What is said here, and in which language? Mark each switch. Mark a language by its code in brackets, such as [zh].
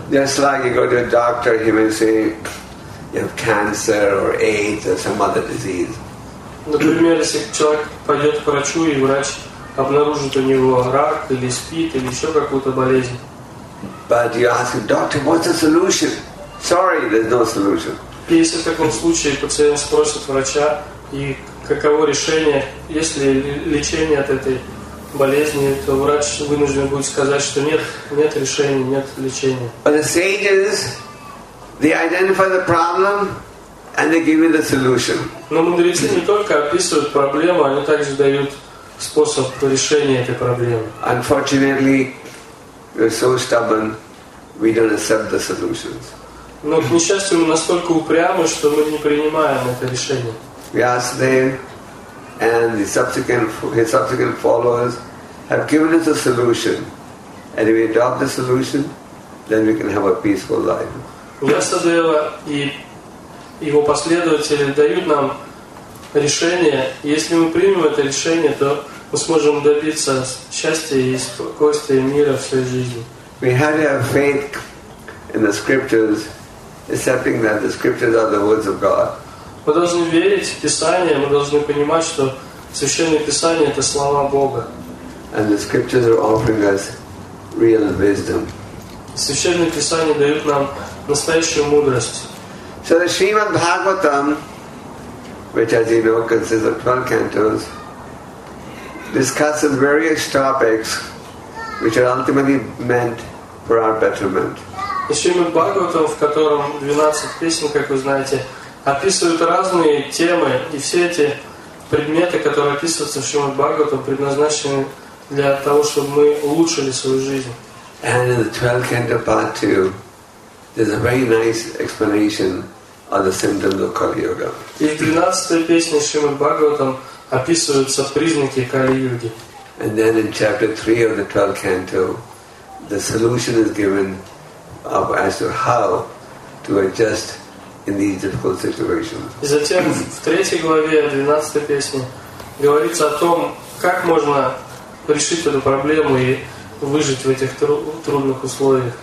[en] Just like you go to a doctor, he may say you have cancer or AIDS or some other disease. [ru] Например, если человек пойдет к врачу и врач обнаружит у него рак или СПИД или еще какую-то болезнь. [en] But you ask him, doctor, what's the solution? Sorry, there's no solution. [ru] Если в таком случае пациент спросит врача и каково решение, есть ли лечение от этой болезни, то врач вынужден будет сказать, что нет решения, нет лечения. [en] But the sages, they identify the problem and they give you the solution. [ru] Но мудрецы не только описывают проблему, они также дают способ решения этой проблемы. [en] Unfortunately, we're so stubborn, we don't accept the solutions. [ru] Но к несчастью, мы настолько упрямы, что мы не принимаем это решение. [en] We ask them, and his subsequent followers have given us a solution. And if we adopt the solution, then we can have a peaceful life. [ru] Ясадева и его последователи дают нам решение. Если мы примем это решение, то мы сможем добиться счастья и спокойствия мира в своей жизни. [en] We have our faith in the scriptures, accepting that the scriptures are the words of God. [ru] Мы должны верить в Писание, мы должны понимать, что Священное Писание — это слова Бога. [en] And the scriptures are offering us real wisdom. [ru] Священное Писание дает нам настоящую мудрость. [en] So the Srimad Bhagavatam, which as you know consists of 12 cantos, discusses various topics which are ultimately meant for our betterment. [ru] Srimad Bhagavatam, в котором 12 песен, как вы знаете, описывают разные темы, и все эти предметы, которые описываются в Шримад-Бхагаватам, предназначены для того, чтобы мы улучшили свою жизнь. [en] And in the 12th canto, part 2, there's a very nice explanation of the symptoms of Kali Yuga. [ru] И в 13-й песне Шримад Бхагаватам описываются признаки Кали-юги. [en] And then in chapter 3 of the 12th canto, the solution is given of as to how to adjust in these difficult situations. [ru] И затем в 3-й главе 12-й песни говорится о том, как можно решить эту проблему и выжить в этих трудных условиях.